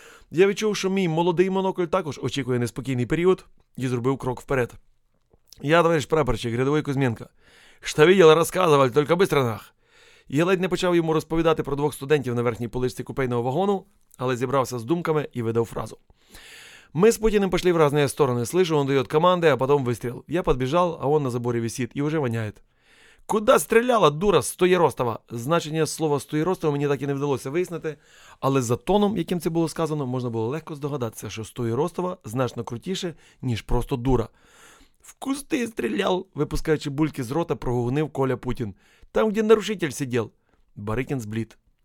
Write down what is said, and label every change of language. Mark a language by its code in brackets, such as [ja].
[uk] Я відчув, що мій молодий монокль також очікує неспокійний період і зробив крок вперед. «Я товариш прапорщик, рядовий Кузьменко. Що видел, розказував, тільки быстро нах!» Я ледь не почав йому розповідати про двох студентів на верхній поличці купейного вагону, але зібрався з думками і видав фразу. «Ми з Путіним пішли в різні сторони. [ru] Слышу, он дает команди, а потом выстрел. Я подбежал, а он на заборі висит і уже воняет». «Куда стреляла, дура, Стоєростова?» [uk] Значення слова «Стоєростова» мені так і не вдалося вияснити, але за тоном, яким це було сказано, можна було легко здогадатися, що Стоєростова значно крутіше, ніж просто дура. «В кусти стріляв», – випускаючи бульки з рота, прогугнив Коля Путін. «Там, де нарушитель сидів». Барикін зблід.